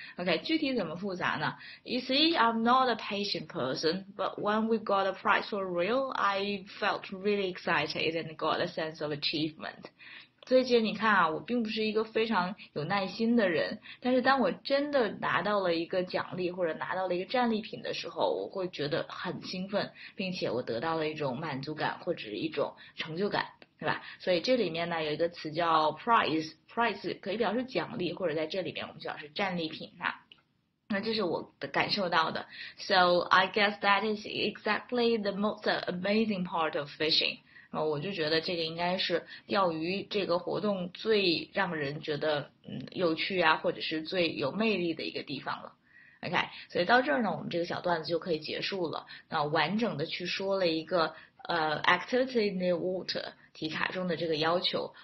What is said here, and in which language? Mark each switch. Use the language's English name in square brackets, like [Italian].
[English] OK， [Chinese] 具体怎么复杂呢？ [English] You see, I'm not a patient person, but when we got a prize for real, I felt really excited and got a sense of achievement。 [Chinese] 所以姐，你看啊，我并不是一个非常有耐心的人，但是当我真的拿到了一个奖励或者拿到了一个战利品的时候，我会觉得很兴奋，并且我得到了一种满足感或者是一种成就感，对吧？所以这里面呢有一个词叫 prize，prize 可以表示奖励，或者在这里面我们就表示战利品哈。那这是我的感受到的。 [English] So I guess that is exactly the most amazing part of fishing。 [Chinese] 然后我就觉得这个应该是钓鱼这个活动最让人觉得有趣啊，或者是最有魅力的一个地方了。 OK，所以到这儿呢，我们这个小段子就可以结束了。那完整的去说了一个 [English] activity in the water [Chinese] 题卡中的这个要求。